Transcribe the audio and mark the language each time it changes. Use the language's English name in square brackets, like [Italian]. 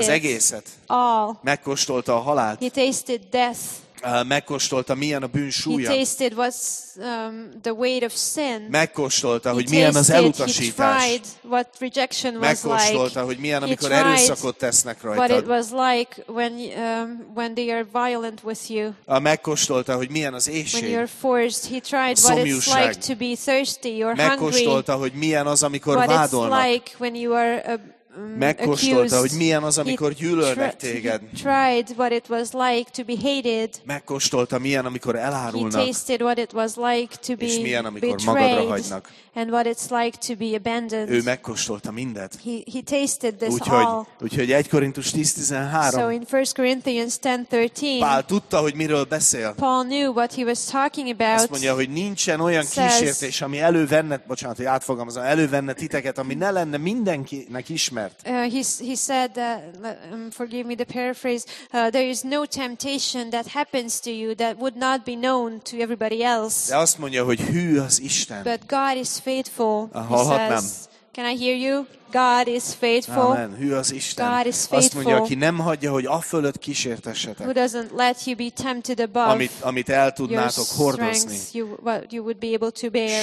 [Hungarian] az egészet. [English] All. [Hungarian] Megkóstolta a halált. [English] He tasted death. [Hungarian] Megkóstolta, milyen a bűn súlya. [English] He tasted what's the weight of sin. [Hungarian] Megkóstolta, hogy milyen az elutasítás. [English] He tried what rejection was like. [Hungarian] Megkóstolta, hogy milyen, amikor erőszakot tesznek rajtad. [English] What it was like when they are violent with you. [Hungarian] Megkóstolta, hogy milyen az éhség. [English] When you're forced, he tried what it's like to be thirsty or hungry. [Hungarian] Megkóstolta, hogy milyen az, amikor vádolnak. [English] What it's like when you are [Hungarian] megkóstolta, hogy milyen az, amikor gyűlölnek téged. [English] Tried what it was like to be hated. [Hungarian] Megkóstolta, milyen, amikor elárulnak. [English] He tasted what it was like to be betrayed. [Hungarian] És milyen, amikor [English] betrayed, [Hungarian] magadra hagynak. [English] And what it's like to be abandoned. [Hungarian] Ő megkóstolta mindet. [English] He tasted this [Hungarian] úgyhogy, [English] all. [Hungarian] Úgyhogy 1 Korintus 10:13. [English] So in 1 Corinthians 10:13. [Hungarian] Pál tudta, hogy miről beszél. [English] Paul knew what he was talking about. [Hungarian] Azt mondja, hogy nincsen olyan kísértés, ami elővenne, bocsánat, hogy átfogalmazom, elővenne titeket, ami ne lenne mindenkinek ismert. [English] He said, forgive me the paraphrase, there is no temptation that happens to you that would not be known to everybody else. [Hungarian] De azt mondja, hogy hű az Isten. [English] But God is faithful, he says. Can I hear you? God is faithful. [Hungarian] Amen. Hű az Isten. [English] God is faithful. [Hungarian] Azt mondja, aki nem hagyja, hogy afölött kísértessetek. [English] Who doesn't let you be tempted above? [Hungarian] Amit el tudnátok hordozni. [English] What you would be able to bear.